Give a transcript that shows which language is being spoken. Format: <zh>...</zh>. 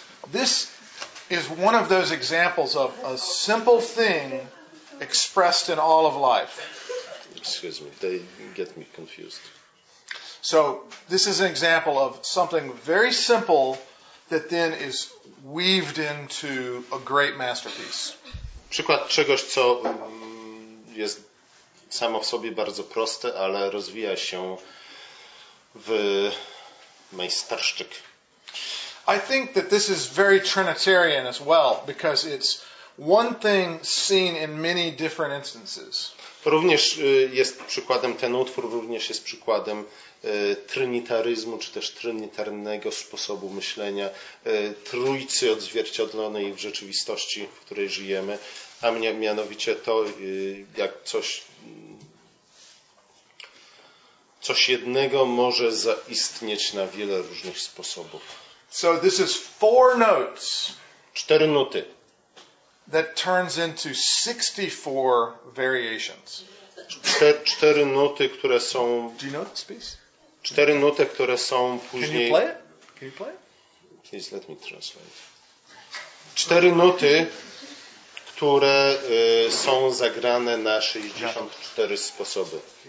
<en>This is one of those examples of a simple thing expressed in all of life. Excuse me, they get me confused. So, this is an example of something very simple that then is weaved into a great masterpiece.</en> <pl>Przykład czegoś, co jest samo w sobie bardzo proste, ale rozwija się w majstersztyk.</pl> <en>I think that this is very Trinitarian as well, because it's One thing seen in many different instances.</en> <pl>Również jest przykładem, ten utwór również jest przykładem trynitaryzmu, czy też trynitarnego sposobu myślenia, trójcy odzwierciedlonej w rzeczywistości, w której żyjemy, a mianowicie to, jak coś jednego może zaistnieć na wiele różnych sposobów.</pl> <en>So this is four notes.</en> <pl>Cztery nuty.</pl> <en>That turns into 64 variations.</en> <pl>Cztery nuty, które są.</pl> <en>Do you know this piece?</en> <pl>Cztery nuty, które są później.</pl> <en>Can you play it? Can you play it? Please let me translate.</en> <pl>Cztery nuty, które są zagrane na 64 sposoby.</pl>